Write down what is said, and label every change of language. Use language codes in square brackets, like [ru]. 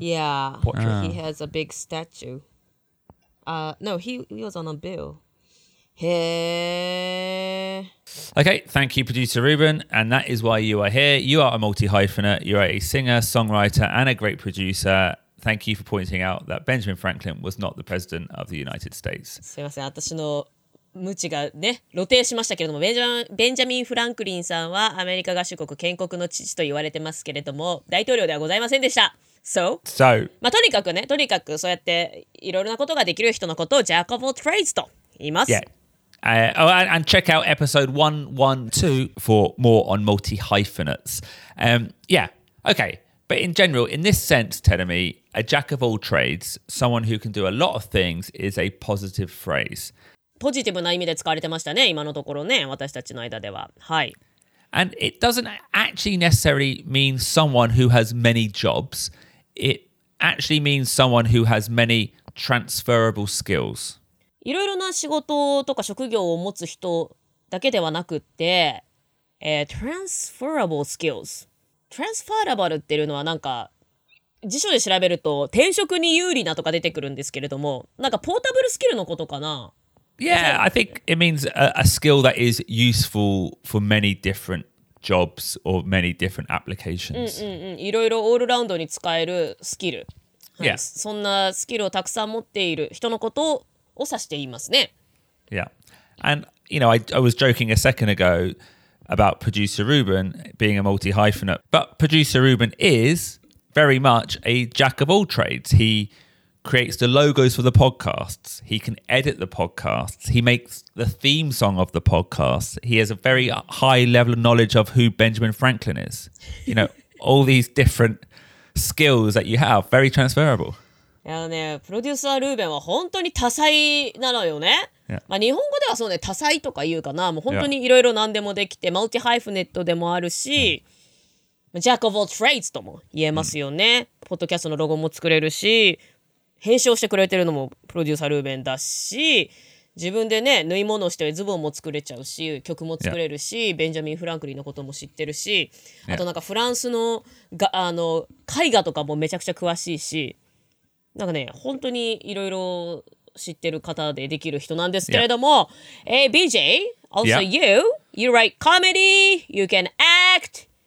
[en] Yeah, portrait. He has a big statue. No, he was on a bill. Okay, thank you, producer Ruben. And that is why you are here. You are a multi-hyphenate. You are a singer, songwriter, and a great producer. Thank you for pointing out that Benjamin Franklin was not the president of the United States. [ja] すみません、私の無知がね、露呈しましたけれども、ベンジャミン・フランクリンさんはアメリカ合衆国建国の父と言われてますけれども、大統領ではございませんでした。 So, まあ、とにかくね、とにかくそうやっていろいろなことができる人のことをジャック・オブ・トレイズと言います。 [en] Yeah. And check out episode 112 for more on multi-hyphenates. Okay. But in general, in this sense, Terumi, a jack of all trades, someone who can do a lot of things, is a positive phrase. [ja] ポジティブな意味で使われてましたね、今のところね、私たちの間では。はい。 [en] And it doesn't actually necessarily mean someone who has many jobs. It actually means someone who has many transferable skills. [ja] いろいろな仕事とか職業を持つ人だけではなくて、 [en] transferable skills. [ja] Transferable っていうのはなんか辞書で調べると転職に有利なとか出てくるんですけれどもなんかポータブルスキルのことかな [en] Yeah, I think it means a skill that is useful for many different jobs or many different applications. [ja] いろいろオールラウンドに使えるスキル、はい、Yeah. そんなスキルをたくさん持っている人のことを指していますね [en] Yeah. And, you know, I was joking a second ago,about producer Ruben being a multi-hyphenate. But producer Ruben is very much a jack of all trades. He creates the logos for the podcasts. He can edit the podcasts. He makes the theme song of the podcast. He has a very high level of knowledge of who Benjamin Franklin is. You know, all these different skills that you have, very transferable. [ja] Yeah, ね、プロデューサー Ruben は本当に多才なのよね。 [en] Yeah. [ja] まあ、日本語ではそうね、多彩とか言うかな、もう本当にいろいろ何でもできて、マルティハイフネットでもあるし、ジャック・オブ・オール・トレイズとも言えますよね。ポッドキャストのロゴも作れるし、編集をしてくれてるのもプロデューサー・ルーベンだし、自分でね、縫い物をしてズボンも作れちゃうし、曲も作れるし、yeah. ベンジャミン・フランクリンのことも知ってるし、あとなんかフランスの、あの絵画とかもめちゃくちゃ詳しいし、なんかね、本当にいろいろ知ってる方でできる人なんですけれども、yeah. [en] BJ, also you write comedy, you can act,